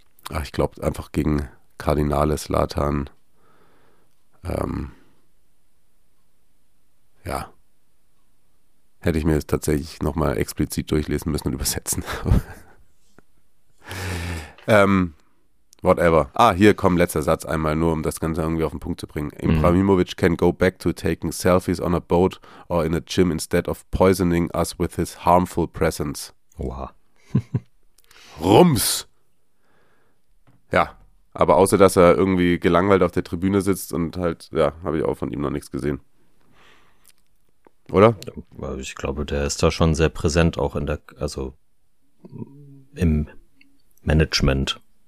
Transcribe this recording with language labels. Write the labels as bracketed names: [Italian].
[German] Ach, ich glaube einfach gegen Cardinale Zlatan. Hätte ich mir das tatsächlich nochmal explizit durchlesen müssen und übersetzen. whatever. Hier kommt letzter Satz einmal, nur um das Ganze irgendwie auf den Punkt zu bringen. [English] Ibrahimovic can go back to taking selfies on a boat or in a gym instead of poisoning us with his harmful presence. [German] Oha. Rums! Ja. Aber außer, dass er irgendwie gelangweilt auf der Tribüne sitzt und halt, ja, habe ich auch von ihm noch nichts gesehen. Oder? Ich glaube, der ist da schon sehr präsent, auch in der, also im Management.